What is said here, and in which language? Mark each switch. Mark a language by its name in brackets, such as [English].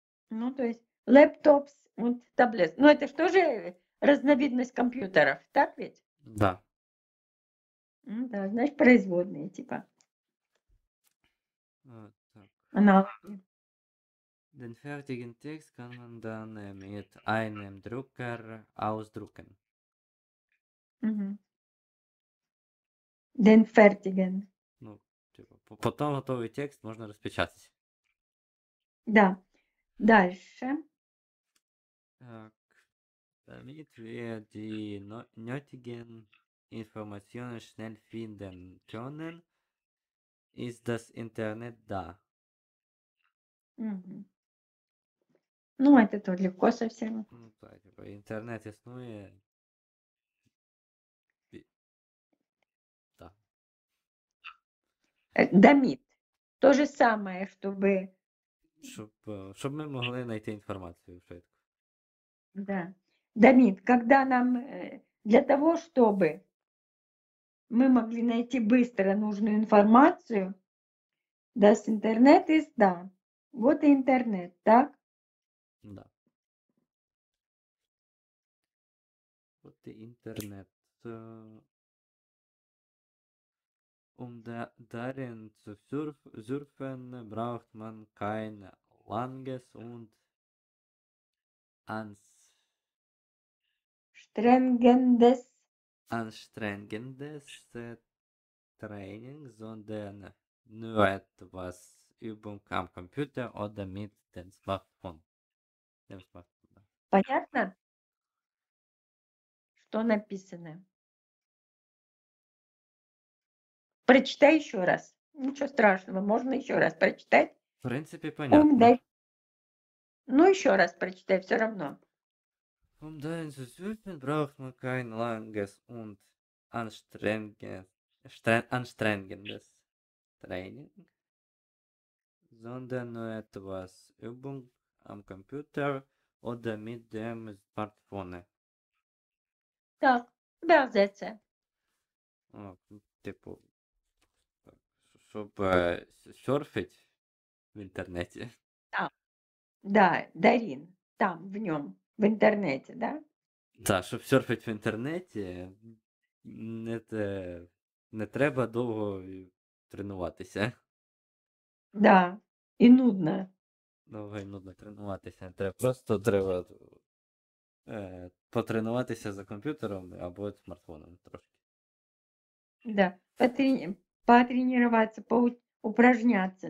[Russian] Ну, то есть лептопс і таблет. Ну, это ж тоже разновидность комп'ютерів, так ведь? Да. Ну да, знаешь, производные, типа. Вот так. Аналоги. [German] Den fertigen Text kann man dann mit einem Drucker ausdrucken. Угу. Den fertigen. [Russian] Ну, типа, потом готовый текст можно распечатать. Да. Дальше. Так. [German] Damit wir die nötigen Informationen schnell finden können, ist das Internet da. [Russian] Mm-hmm. Ну, это тут легко совсем. Ну, да, типа, интернет існує. Да. Damit. То же самое, чтобы... Чтобы мы могли найти информацию. Да. Damit. Когда нам... Для того, чтобы... Мы могли найти быстро нужную информацию. Does internet is да. Вот интернет, так? Да. Вот интернет. [German] Um darin zu surfen, braucht man kein langes und anstrengendes Training, sondern nur etwas Übung am Computer oder mit dem Smartphone. Dem Smartphone. [Russian] Понятно? Что написано? Прочитай еще раз. Ничего страшного, можно еще раз прочитать. В принципе, понятно. Ну, еще раз прочитай, все равно. [German] Um dahin zu surfen, braucht man kein langes und anstrengendes Training, sondern nur etwas Übung am Computer oder mit dem Smartphone. [Russian] Так, übersetze. Типа, чтобы серфить в интернете. Да, Дарин, там, в нем. В интернете, да? Да, чтобы серфить в интернете, это [Ukrainian] не треба довго тренуватися. [Russian] Да, и нудно. [Ukrainian] Довго и нудно тренуватися. Просто треба потренуватися за комп'ютером або смартфоном трошки. [Russian] Да, потренуватися, упражняться.